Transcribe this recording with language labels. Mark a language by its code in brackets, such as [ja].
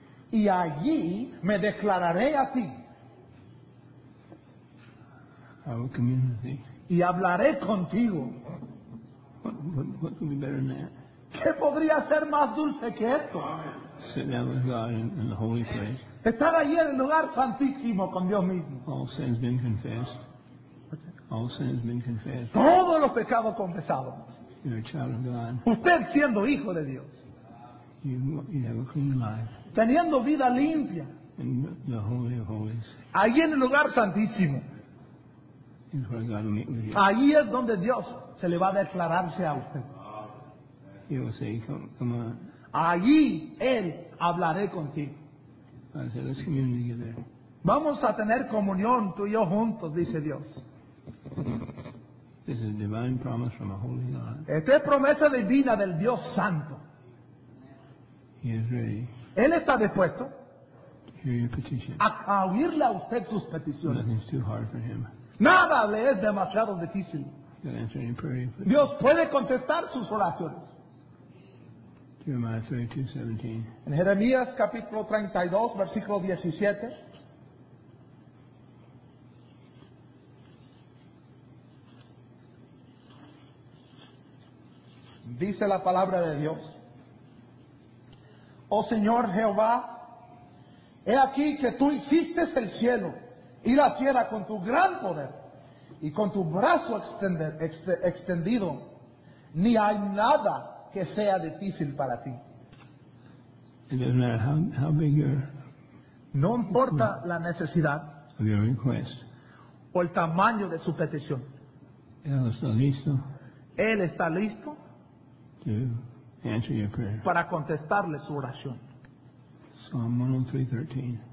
[es] Éxodo 25:22. Y allí me declararé a ti. [en] I will commune with thee. [es] Y hablaré contigo. [en] What could be better than that? [es] ¿Qué podría ser más dulce que esto? [en] Sit down with God in the holy place. [es] Estar allí en el lugar santísimo con Dios mismo. [en] All sins been confessed. All sins been confessed. [es] Todos los pecados confesados. [en] You're a child of God. [es] Usted siendo hijo de Dios. [en] You have a clean life. [es] Teniendo vida limpia. [en] In the holy of holies. [es] Allí en el lugar santísimo. [en] Is where God will meet with you. [es] Allí es donde Dios se le va a declararse a usted. [en] He will say, come on. [es] Allí él hablaré contigo. [en] I said, let's commune together. [es] Vamos a tener comunión tú y yo juntos, dice Dios. [en] This is a divine promise from a holy God. [es] Esta es promesa divina del Dios Santo. [en] He is ready. [es] Él está dispuesto [en] to hear your petition. [es] A oírle a usted sus peticiones. [en] Nothing's too hard for him. [es] Nada le es demasiado difícil. Dios puede contestar sus oraciones. En Jeremías capítulo 32, versículo 17. Dice la palabra de Dios. Oh Señor Jehová, he aquí que tú hiciste el cielo y la tierra con tu gran poder y con tu brazo extendido, ni hay nada que sea difícil para ti. [en] It doesn't matter how big your, [es] no importa your, la necesidad [en] of your request, [es] o el tamaño de su petición. Él está listo, él está listo [en] to answer your prayer. [es] Para contestarle su oración. [en] Psalm 103:13.